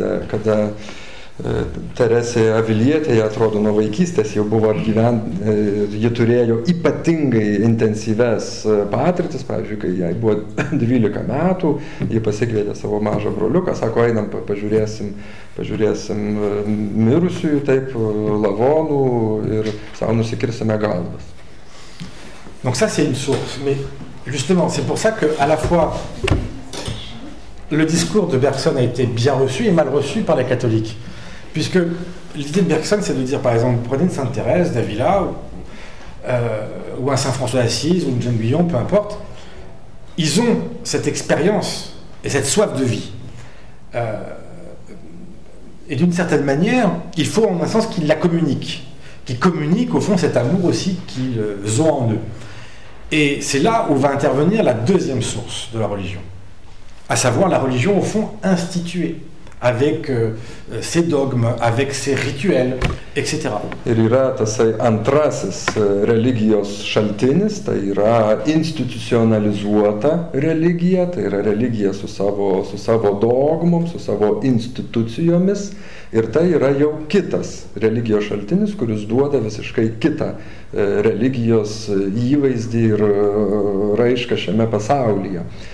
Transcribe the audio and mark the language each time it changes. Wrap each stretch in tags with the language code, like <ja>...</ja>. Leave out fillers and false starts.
<lt>Kada Teresė Avilietė, jie atrodo, nuo vaikystės jau buvo jie turėjo ypatingai intensyves patirtis, pavyzdžiui, kai jai buvo 12 metų, jie pasikvietė savo mažą broliuką, sako, einam, pažiūrėsim mirusiųjų, taip, lavonų ir savo nusikirsime galvas.</lt> <fr>Donc ça c'est une source, mais justement, c'est pour ça que à la fois le discours de Bergson a été bien reçu et mal reçu par les catholiques. Puisque l'idée de Bergson, c'est de dire, par exemple, prenez une Sainte Thérèse d'Avila, ou un Saint François d'Assise, ou une Jeanne Guyon, peu importe, ils ont cette expérience et cette soif de vie. Et d'une certaine manière, il faut en un sens qu'ils la communiquent, qu'ils communiquent au fond cet amour aussi qu'ils ont en eux. Et c'est là où va intervenir la deuxième source de la religion, à savoir la religion au fond instituée. Avec ses dogmes, avec ses rituels, etc.</fr> <lt>Ir yra tasai antrasis religijos šaltinis, tai yra institucionalizuota religija, tai yra religija su savo dogmom, su savo institucijomis, ir tai yra jau kitas religijos šaltinis, kuris duoda visiškai kitą religijos įvaizdį ir raišką šiame pasaulyje.</lt>